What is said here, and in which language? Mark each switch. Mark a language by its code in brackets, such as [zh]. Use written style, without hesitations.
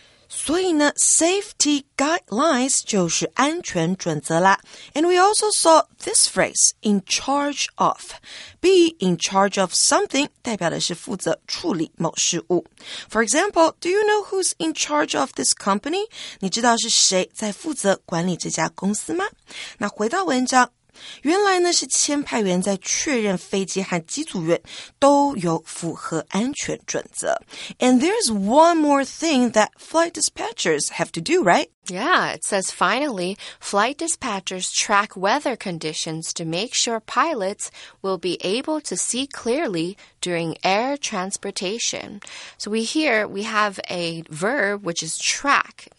[zh] 所以呢 safety guidelines 就是安全准则啦。 [en] And we also saw this phrase, in charge of. Be in charge of something [zh] 代表的是负责处理某事物。 [en] For example, do you know who's in charge of this company? [zh] 你知道是谁在负责管理这家公司吗？那回到文章。原来呢是签派员在确认飞机和机组员都有符合安全准则。 [en] And there's one more thing that flight dispatchers have to do, right? Yeah, it says finally, flight dispatchers track weather conditions to make sure pilots will be able to see clearly during air transportation. So we have a verb which is track.